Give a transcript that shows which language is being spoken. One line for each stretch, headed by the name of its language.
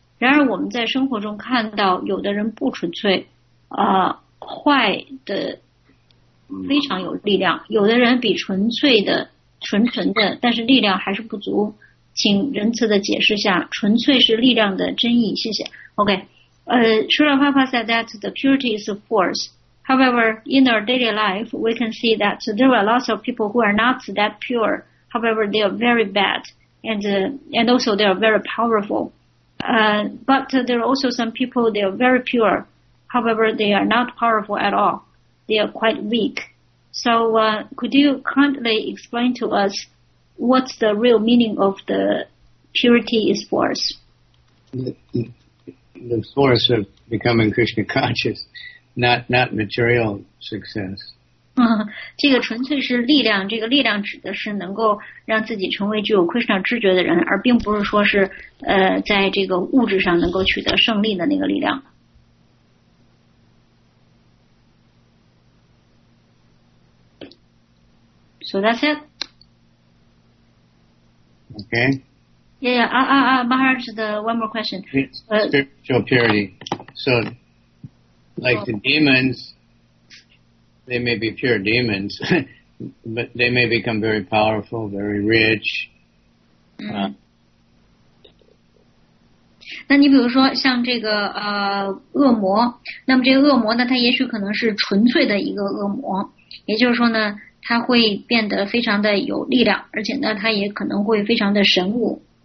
Chinese: 然而，我们在生活中看到，有的人不纯粹，坏的非常有力量；有的人比纯粹的、纯纯的，但是力量还是不足。请仁慈的解释下，纯粹是力量的真意。谢谢。
English: OK，Srila Prabhupada said that the purity is a force. However, in our daily life, we can see that there are lots of people who are not that pure. However, they are very bad, and also they are very powerful. But there are also some people, they are very pure. However, they are not powerful at all. They are quite weak. So, could you kindly explain to us what's the real meaning of the purity is force? The source of becoming Krishna conscious, not material success.
Chinese: 这个纯粹是力量，这个力量指的是能够让自己成为具有 Krishna 知觉的人，而并不是说是在这个物质上能够取得胜利的那个力量。
English: So that's it. Okay. Maharaj, the one more question. Spiritual purity. So, like the demons, they may be pure demons, but they may become very powerful, very rich.
Chinese: 那你比如说像这个恶魔，那么这个恶魔呢，它也许可能是纯粹的一个恶魔，也就是说呢，它会变得非常的有力量，而且呢，它也可能会非常的神武。